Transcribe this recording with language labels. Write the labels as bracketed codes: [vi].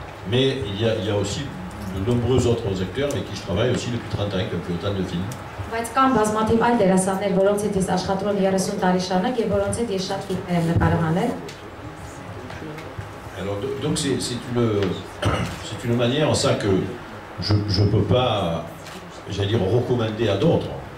[fr] Mais il y a aussi de nombreux autres acteurs avec qui je travaille aussi depuis 30 ans, qui ont fait autant de films. [hy] Բայց կան բազմաթիվ այլ դերասաններ, որոնց հետ ես աշխատում 30 տարի շարունակ եւ որոնց հետ ես շատ ֆիլմեր եմ նկարահանել։ [fr] Alors donc c'est une manière en ça que je peux pas j'allais dire recommander à d'autres.